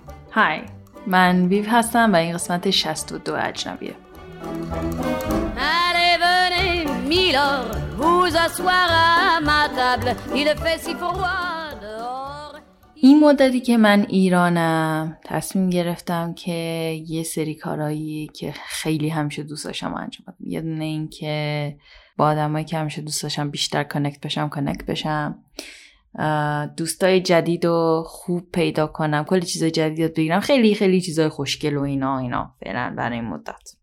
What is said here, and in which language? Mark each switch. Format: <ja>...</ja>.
<fa>های، من ویو هستم و این قسمت 62 اجنبیه.</fa> <fr>Allez venez Milord, vous asseoir à ma table. Il fait si froid dehors.</fr> <fa>این مدتی که من ایرانم تصمیم گرفتم که یه سری کارهایی که خیلی همیشه دوست داشتم انجام بدم. یه دونه این که با آدمایی که همیشه دوست داشتم بیشتر کانکت بشم. دوستای جدید و خوب پیدا کنم، کلی چیزای جدید بگیرم، خیلی خیلی چیزای خوشگل و اینا فعلا برای این مدت.</fa>